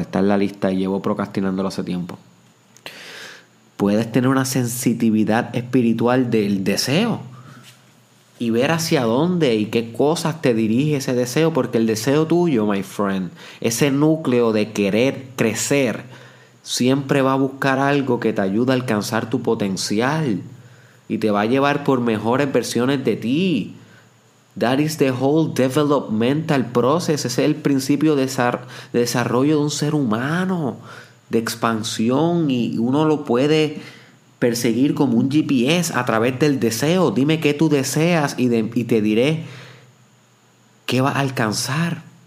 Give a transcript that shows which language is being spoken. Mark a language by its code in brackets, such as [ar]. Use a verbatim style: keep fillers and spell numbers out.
[es] Está en la lista y llevo procrastinándolo hace tiempo. Puedes tener una sensitividad espiritual del deseo y ver hacia dónde y qué cosas te dirige ese deseo. Porque el deseo tuyo, [en] my friend, [es] ese núcleo de querer crecer, siempre va a buscar algo que te ayude a alcanzar tu potencial y te va a llevar por mejores versiones de ti. [en] That is the whole developmental process. [es] Ese es el principio de desarrollo de un ser humano, de expansión, y uno lo puede perseguir como un G P S a través del deseo. Dime qué tú deseas y, de, y te diré qué va a alcanzar.